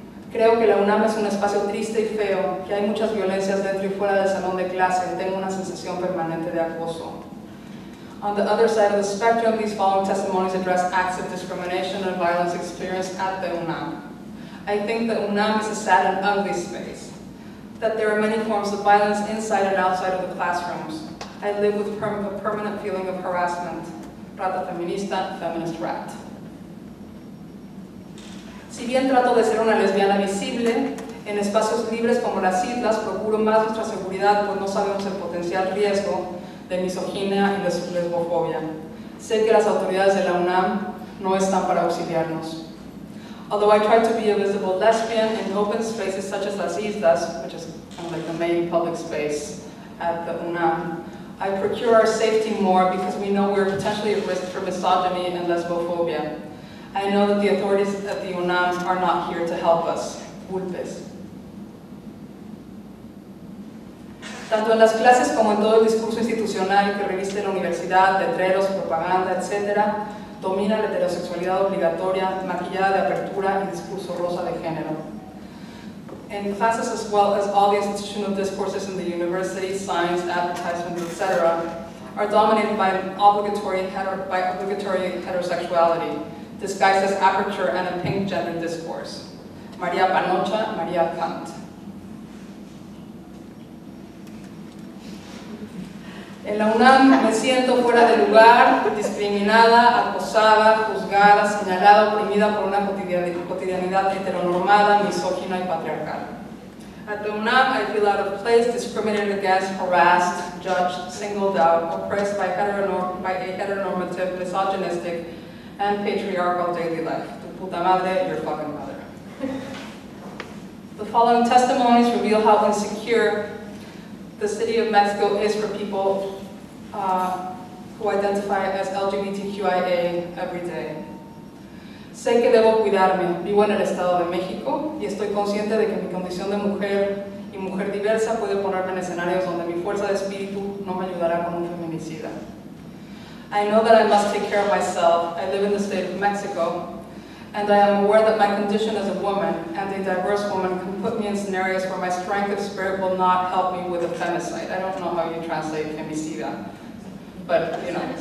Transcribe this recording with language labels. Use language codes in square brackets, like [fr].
[es] Creo que la UNAM es un espacio triste y feo, que hay muchas violencias dentro y fuera del salón de clase, tengo una sensación permanente de acoso. [en] On the other side of the spectrum, these following testimonies address acts of discrimination and violence experienced at the UNAM. I think the UNAM is a sad and ugly space, that there are many forms of violence inside and outside of the classrooms. I live with a permanent feeling of harassment. [es] Rata feminista, [en] feminist rat. [es] Si bien trato de ser una lesbiana visible, en espacios libres como las islas procuro más nuestra seguridad pues no sabemos el potencial riesgo de misoginia y de lesbofobia. Sé que las autoridades de la UNAM no están para auxiliarnos. [en] Although I try to be a visible lesbian in open spaces such as las islas, which is kind of like the main public space at the UNAM, I procure our safety more because we know we are potentially at risk for misogyny and lesbophobia. I know that the authorities at the UNAM are not here to help us. Vulpes. [es] Tanto en las clases como en todo el discurso institucional que reviste la universidad, letreros, propaganda, etc., domina la heterosexualidad obligatoria, maquillada de apertura y discurso rosa de género. [en] In classes as well as all the institutional discourses in the university, science, advertisements, etc., are dominated by obligatory heterosexuality, disguised as aperture and a pink gender discourse. Maria Panocha, Maria Kant. [es] En la UNAM me siento fuera de lugar, discriminada, acosada, juzgada, señalada, oprimida por una cotidianidad heteronormada, misógina y patriarcal. [en] At the UNAM I feel out of place, discriminated against, harassed, judged, singled out, oppressed by a heteronormative, misogynistic, and patriarchal daily life. [es] Tu puta madre, [en] your fucking mother. The following testimonies reveal how insecure the city of Mexico is for people who identify as LGBTQIA every day. [es] Sé que debo cuidarme. Vivo en el Estado de México y estoy consciente de que mi condición de mujer y mujer diversa puede ponerme en escenarios donde mi fuerza de espíritu no me ayudará con un feminicida. [en] I know that I must take care of myself. I live in the state of Mexico, and I am aware that my condition as a woman and a diverse woman can put me in scenarios where my strength of spirit will not help me with a femicide. I don't know how you translate femicida, but you know.